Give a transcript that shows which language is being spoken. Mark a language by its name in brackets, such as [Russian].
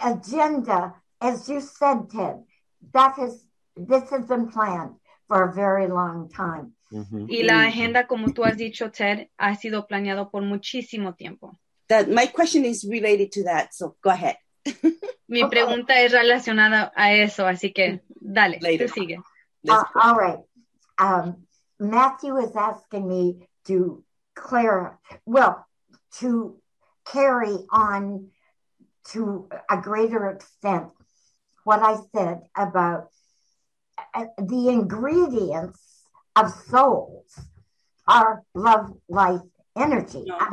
[English] agenda, as you said, Ted, this has been planned for a very long time. Mm-hmm. [Spanish] Y la agenda, como tú has dicho, Ted, ha sido planeado por muchísimo tiempo. [English] My question is related to that, so go ahead. [Spanish] Mi pregunta es relacionada a eso, así que dale, later. Tú sigue. [English] All right. Matthew is asking me to carry on to a greater extent what I said about the ingredients of souls are love, life, energy.